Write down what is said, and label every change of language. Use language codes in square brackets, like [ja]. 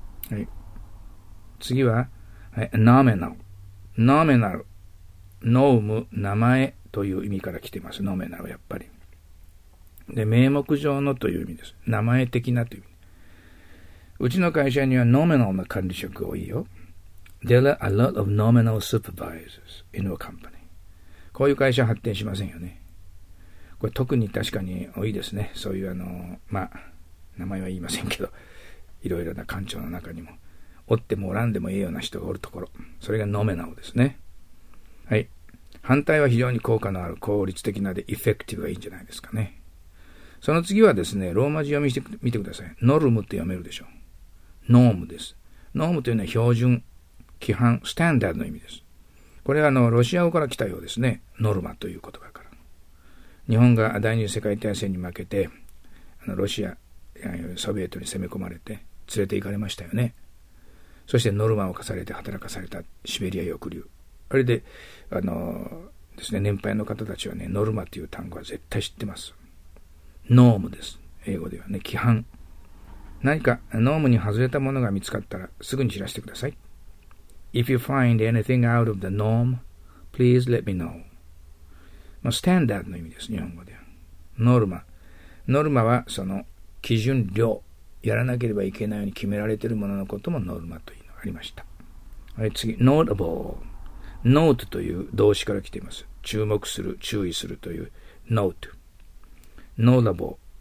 [ja] はい。次は、はい、nominal。nominal。ノーム、名前という意味から来てます。 nominal はやっぱり。で、名目上のという意味です。名前的なという意味。うちの会社にはノーメナルな管理職多いよ。 [en] There are a lot of nominal supervisors in our company. [ja] こういう会社発展しませんよね。これ特に確かに多いですね。そういうまあ、名前は言いませんけど、いろいろな官庁の中にも、おってもおらんでもいいような人がおるところ。それがノーメナルですね。はい。反対は非常に効果のある、効率的なで、エフェクティブがいいんじゃないですかね。その次はですね、ローマ字読みしてみてください。ノルムって読めるでしょ。ノームです。ノームというのは標準、規範、スタンダードの意味です。これはロシア語から来たようですね。ノルマという言葉から。日本が第二次世界大戦に負けて、ロシア、ソビエトに攻め込まれて、連れて行かれましたよね。そしてノルマを課されて働かされたシベリア抑留。あれで、ですね、年配の方たちはね、ノルマという単語は絶対知ってます。ノームです。英語ではね、規範。何かノームに外れたものが見つかったらすぐに知らせてください。 [en] If you find anything out of the norm, please let me know. [ja] まあ、スタンダードの意味です、日本語では。ノルマ。ノルマはその基準量。やらなければいけないように決められているもののこともノルマというのがありました。はい、次、notable。note という動詞から来ています。注目する、注意するという note。notable。